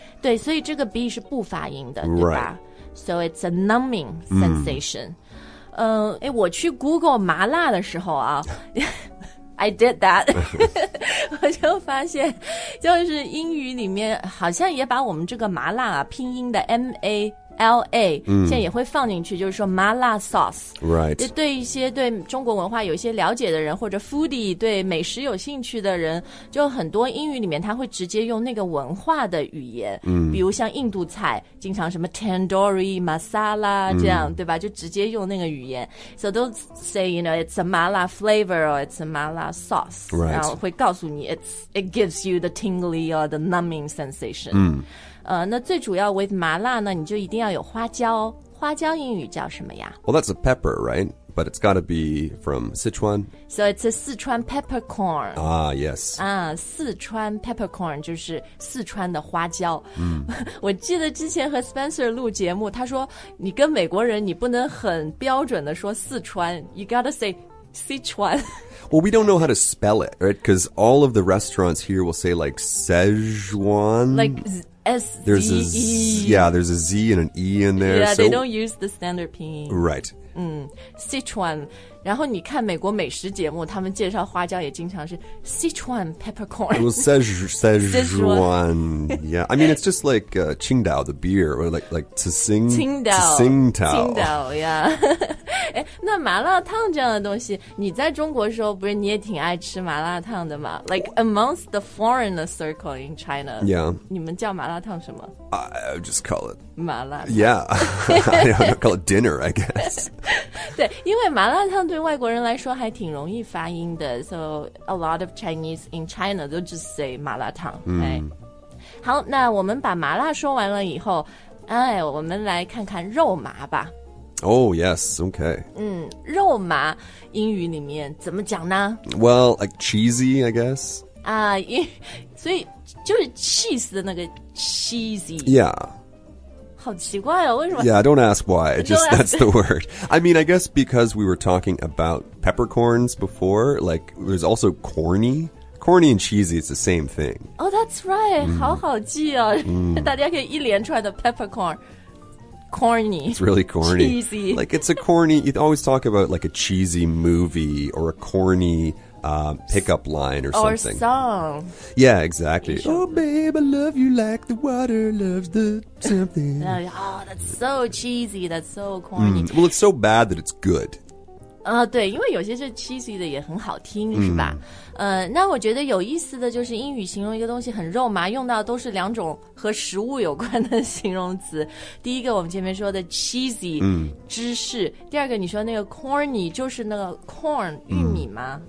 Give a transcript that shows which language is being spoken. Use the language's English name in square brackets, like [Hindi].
[Chinese] 对，所以这个 B 是不发音的，对吧？ [English] Right. So it's a numbing sensation.、 [Chinese] 我去 Google 麻辣的时候啊 [English] I did that. [Chinese] 我就发现就是英语里面好像也把我们这个麻辣、拼音的 M-A-L-A、现在也会放进去，就是说麻辣 sauce、 [English] right. [Chinese] 对一些对中国文化有一些了解的人，或者 foodie 对美食有兴趣的人，就很多英语里面他会直接用那个文化的语言、比如像印度菜经常什么 tandoori masala 这样、对吧，就直接用那个语言。 [English] So don't say you know it's a 麻辣 flavor or it's a 麻辣 sauce、 right. [Chinese] 然后会告诉你 [English] it gives you the tingly or the numbing sensation、 [Chinese] 那最主要 with 麻辣呢，你就一定要有花椒。花椒英语叫什么呀？ [English] Well, that's a pepper, right? But it's got to be from Sichuan. So it's a 四川 peppercorn. Ah, yes. [Chinese] 四川 peppercorn 就是四川的花椒。我记得之前和 Spencer 录节目，他说你跟美国人，你不能很标准的说四川， [English] you gotta say Sichuan. Well, we don't know how to spell it, right? Because all of the restaurants here will say like Szechuan. There's a Z and an E in there. Yeah, they don't use the standard 拼音. Right. Sichuan. [Chinese] 然后你看美国美食节目，他们介绍花椒也经常是 Sichuan peppercorn. [English] It was Szechuan. Yeah, I mean, it's just like、Qingdao, the beer, or like Tsing. Qingdao. Tsingtao. Qingdao, yeah. [Chinese] 那麻辣烫这样的东西，你在中国的时候不是你也挺爱吃麻辣烫的吗？ [English] Like amongst the foreigner circle in China. Yeah. [Chinese] 你们叫麻辣烫什么？ [English] I just call it [Chinese] 麻辣烫。 [English] Yeah. I don't call it dinner, I guess. [Chinese] 对，因为麻辣烫对外国人来说还挺容易发音的， [English] So a lot of Chinese in China they just say [Chinese] 麻辣烫、好，那我们把麻辣说完了以后，我们来看看肉麻吧。 [English] Oh, yes, okay. [Chinese] 肉麻英语里面怎么讲呢？ [English] Well, like cheesy, I guess. [Chinese] 所以就是 cheese 的那个 cheesy. [English] Yeah. [Chinese] 好奇怪哦，为什么？ [English] Yeah, don't ask why. Just that's the word. I mean, I guess because we were talking about peppercorns before, like, there's also corny. Corny and cheesy, it's the same thing. Oh, that's right. Mm. [Chinese] 好好记哦。 [English] Mm. [Chinese] 大家可以一连串的 peppercorn. [English] Corny. It's really corny. Cheesy. Like, it's a corny, you always talk about like a cheesy movie or a corny、pickup line or something. Or song. Yeah, exactly. Oh, babe, I love you like the water loves the something. Oh, that's so cheesy. That's so corny.、 Mm. Well, it's so bad that it's good. [Chinese] 对，因为有些是 cheesy 的也很好听、是吧、那我觉得有意思的就是英语形容一个东西很肉麻，用到都是两种和食物有关的形容词。第一个我们前面说的 cheesy、芝士，第二个你说那个 corny 就是那个 corn、玉米吗？